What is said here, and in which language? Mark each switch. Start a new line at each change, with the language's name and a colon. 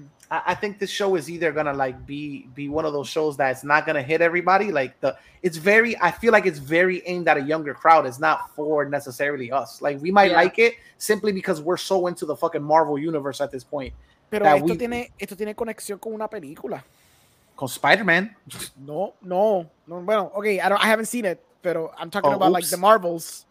English: I think this show is either going to like be one of those shows that's not going to hit everybody. Like I feel like it's very aimed at a younger crowd. It's not for necessarily us. Like we might like it simply because we're so into the fucking Marvel universe at this point.
Spanish: Pero esto, esto tiene conexión con una película. Con Spider-Man. No. Bueno,
English: okay, I haven't seen it,
Spanish: pero
English: I'm talking about like the Marvels.